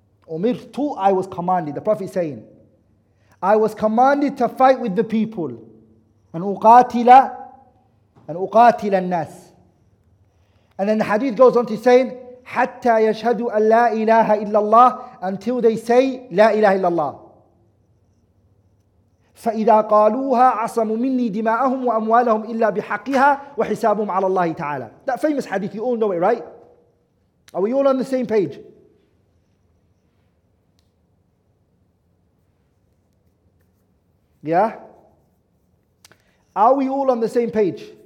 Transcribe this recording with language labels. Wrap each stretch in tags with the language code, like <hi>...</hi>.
<ar>أمرت,</ar> <en>I was commanded, the Prophet is saying, I was commanded to fight with the people.</en> <ar>أن أقاتل الناس.</ar> <en>And then the hadith goes on to saying,</en> <ar>حتى يشهد أن لا إله إلا الله,</ar> <en>until they say</en> <ar>لا إله إلا الله. فإذا قالوها عصموا مني دماءهم وأموالهم إلا بحقها وحسابهم على الله تعالى.</ar> <en>That famous hadith, you all know it, right? Are we all on the same page? Yeah? Are we all on the same page?</en>